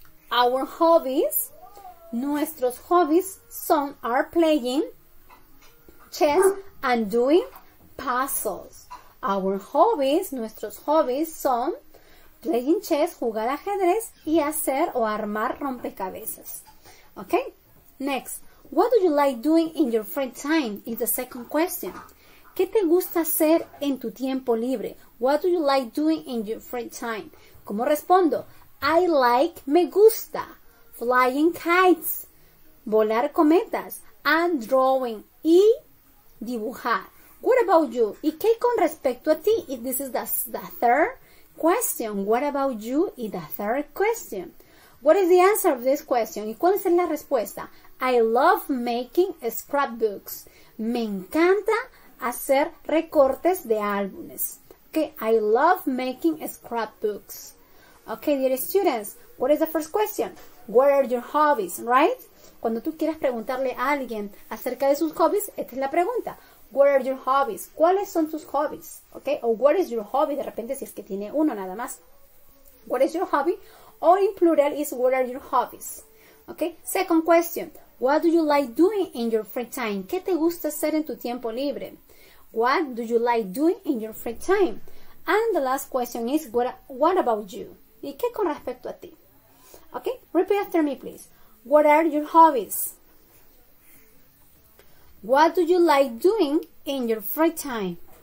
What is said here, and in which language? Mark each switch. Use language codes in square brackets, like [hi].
[en] Our hobbies, [es] nuestros hobbies son, [en] are playing chess and doing puzzles. Our hobbies, [es] nuestros hobbies son [en] playing chess, [es] jugar ajedrez y hacer o armar rompecabezas. Okay? [en] Next, what do you like doing in your free time? Is the second question. [es] ¿Qué te gusta hacer en tu tiempo libre? [en] What do you like doing in your free time? [es] ¿Cómo respondo? [en] I like, [es] me gusta, [en] flying kites, [es] volar cometas, [en] and drawing, [es] y dibujar. [en] What about you? [es] ¿Y qué con respecto a ti? [en] If this is the third question. What about you? Y the third question. What is the answer of this question? [es] ¿Y cuál es la respuesta? [en] I love making scrapbooks. [es] Me encanta hacer recortes de álbumes. [en] Okay, I love making scrapbooks. Okay, dear students, what is the first question? What are your hobbies, right? [es] Cuando tú quieras preguntarle a alguien acerca de sus hobbies, esta es la pregunta. [en] What are your hobbies? [es] ¿Cuáles son tus hobbies? [en] Okay, o what is your hobby? [es] De repente, si es que tiene uno nada más. [en] What is your hobby? Or in plural is what are your hobbies? Okay, second question. What do you like doing in your free time? [es] ¿Qué te gusta hacer en tu tiempo libre? [en] What do you like doing in your free time? And the last question is, what about you? [es] ¿Y qué con respecto a ti? Okay, [en] repeat after me, please. What are your hobbies? What do you like doing in your free time?